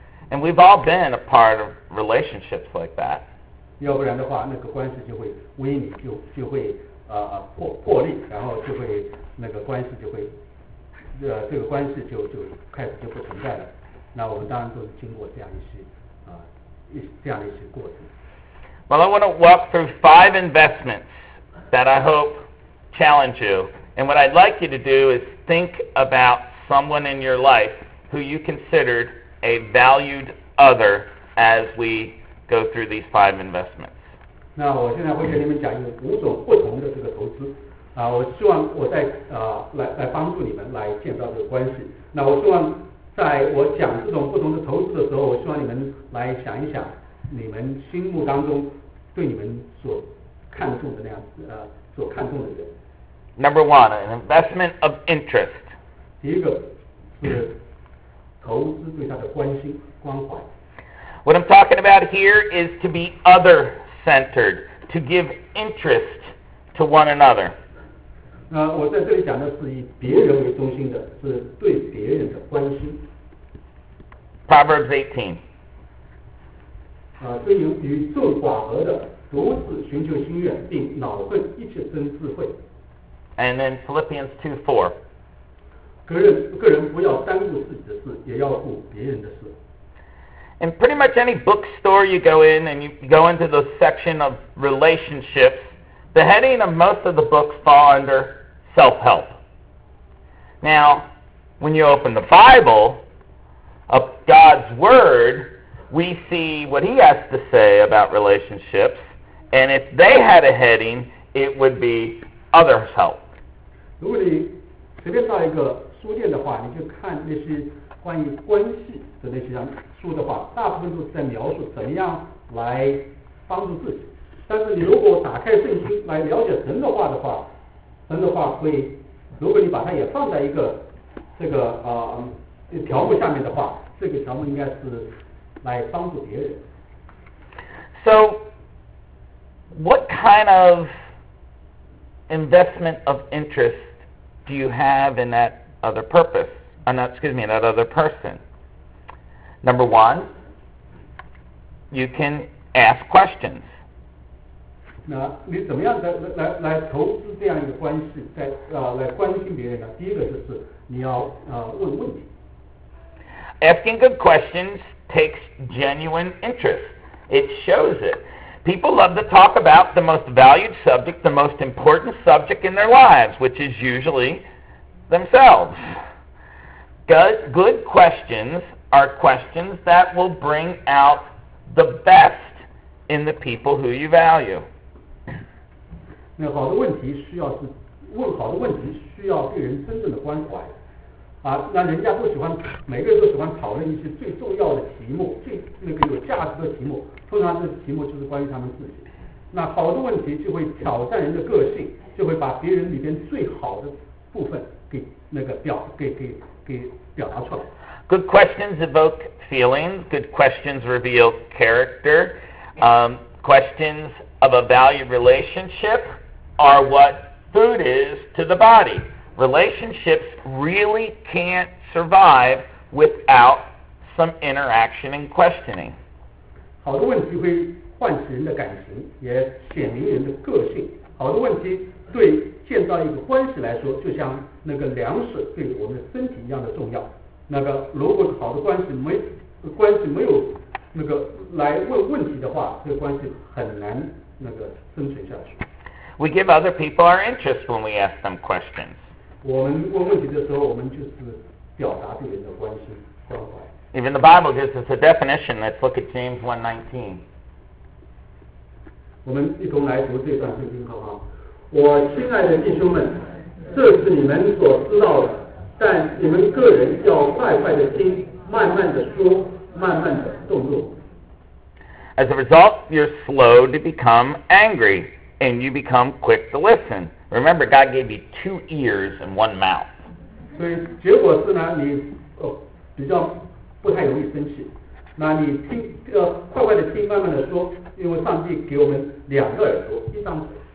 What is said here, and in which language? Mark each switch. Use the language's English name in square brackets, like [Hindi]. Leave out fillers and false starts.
[English] And we've all been a part of relationships like that. [Chinese] 要不然的话，那个关系就会萎靡，就会破裂，然后就会那个关系就会，这个关系就开始就不存在了。那我们当然都是经过这样一些过程。 [English] Well, I want to walk through 5 investments that I hope challenge you. And what I'd like you to do is think about someone in your life who you considered a valued other as we go through these 5 investments. [Chinese] 那我现在会跟你们讲五种不同的这个投资。我希望我在来帮助你们来建造这个关系。那我希望在我讲这种不同的投资的时候，我希望你们来想一想你们心目当中对你们所看重的那样所看重的人。 [English] Number one, an investment of interest. [Chinese] 第一个是投资对他的关心关怀。 [English] What I'm talking about here is to be other-centered, to give interest to one another. [Chinese] 那我在这里讲的是以别人为中心的，是对别人的关心。 [English] Proverbs 18. [Chinese] 对于与众寡合的，独自寻求心愿，并恼恨一切生智慧。 [English] And then Philippians 2:4. [Chinese] 个人不要单顾自己的事，也要顾别人的事。 [English] And pretty much any bookstore you go in and you go into the section of relationships, the heading of most of the books fall under self-help. Now, when you open the Bible, of God's Word, we see what He has to say about relationships, and if they had a heading, it would be others' help. [Chinese] 如果你随便到一个书店的话，你就看那些关于关系的那些书的话，大部分都是在描述怎么样来帮助自己。但是你如果打开圣经来了解神的话的话，神的话会，如果你把它也放在一个这个条目下面的话，这个条目应该是来帮助别人。 [English] So, what kind of investment of interest do you have in that other purpose? In that other person. Number one, you can ask questions. [Chinese] 那你怎么样来投资这样一个关系，来关心别人呢？第一个就是你要问问题。 [English] Asking good questions takes genuine interest. It shows it. People love to talk about the most valued subject, the most important subject in their lives, which is usually themselves. Good questions are questions that will bring out the best in the people who you value. [Chinese] 那好的问题需要是问好的问题需要对人真正的关怀啊，那人家都喜欢，每个人都喜欢讨论一些最重要的题目，最那个有价值的题目，通常这个题目就是关于他们自己。那好的问题就会挑战人的个性，就会把别人里边最好的部分给那个表给表达出来。 [English] Good questions evoke feelings. Good questions reveal character. Questions of a valued relationship are what food is to the body. Relationships really can't survive without some interaction and questioning. [Chinese] 好的问题会唤起人的感情，也显明人的个性。好的问题对建造一个关系来说，就像那个粮食对我们的身体一样的重要。那个如果好的关系没有那个来问问题的话，这个关系很难那个生存下去。 [English] We give other people our interest when we ask them questions. [Chinese] 我们问问题的时候，我们就是表达对人的关心关怀。 [English] Even the Bible gives us a definition. Let's look at James 1:19. [Chinese] 我们一同来读这段圣经，好不好？我亲爱的弟兄们，这是你们所知道的，但你们个人要快快的听，慢慢的说，慢慢的动怒。 [English] As a result, you're slow to become angry, and you become quick to listen. Remember, God gave you 2 ears and 1 mouth. [Chinese] 所以结果是呢，你比较不太容易生气，那你听快快的听慢慢的说因为上帝给我们两个耳朵一张嘴